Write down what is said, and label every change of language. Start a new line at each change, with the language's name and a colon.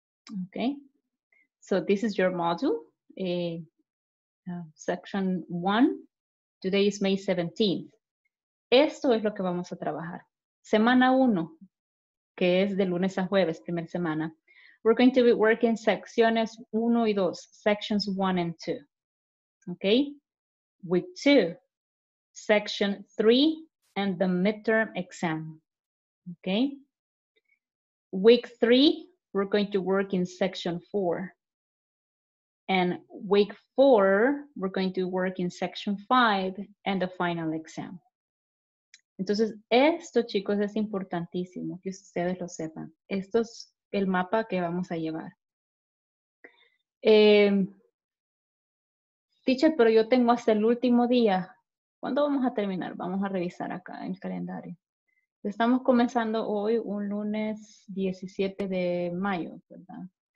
English: Ok. So, this is your module. Section 1. Today is May 17th.
Spanish: Esto es lo que vamos a trabajar. Semana 1, que es de lunes a jueves, primera semana.
English: We're going to be working
Spanish: secciones 1 y 2,
English: sections 1 and 2, okay? Week 2, section 3 and the midterm exam, okay? Week 3, we're going to work in section 4. And week 4, we're going to work in section 5 and the final exam.
Spanish: Entonces, esto, chicos, es importantísimo que ustedes lo sepan. Estos el mapa que vamos a llevar. Teacher, pero yo tengo hasta el último día. ¿Cuándo vamos a terminar? Vamos a revisar acá el calendario. Estamos comenzando hoy, un lunes 17 de mayo, ¿verdad?